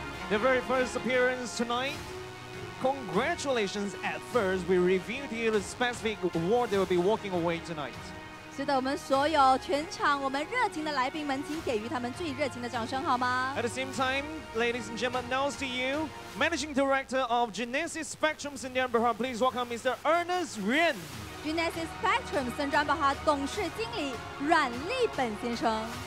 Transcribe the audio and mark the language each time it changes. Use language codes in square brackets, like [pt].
[en] Their very first appearance tonight. Congratulations at first. We revealed to you the specific award they will be walking away tonight. [zh] 是的，我们所有全场我们热情的来宾们，请给予他们最热情的掌声，好吗？ [en] At the same time, ladies and gentlemen, announce to you, Managing Director of Genesis Spectrum Sendirian Berhad, please welcome Mr. Ernest Rian. [zh] Genesis Spectrum Sendirian Berhad 董事经理阮立本先生。